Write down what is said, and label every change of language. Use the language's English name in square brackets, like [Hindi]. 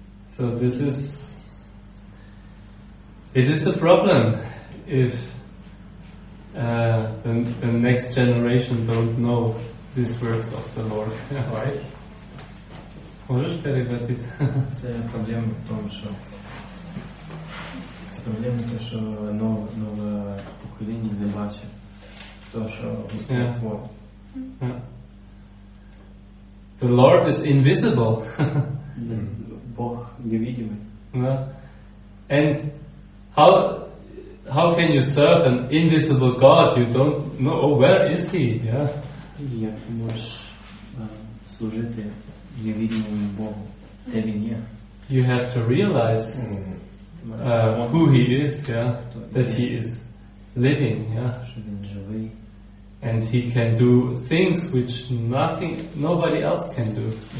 [English] So it is a problem if the next generation don't know these works of the Lord, right? [Russian] Можешь перевернуть? [Ukrainian] Це проблема в тому, що це проблема в тому, що нове покоління не бачить то, що Господь творить. [English] Yeah. The Lord is invisible. [Russian] Бог невидимый. [English] And how can you serve an invisible God? You don't know. Oh, where is he? [Ukrainian] Як ти можеш служити невидимому Богу? Де він є? [English] You have to realize who he is, that he is living, [Ukrainian] Що він живий. [English] And he can do things which nobody else can do.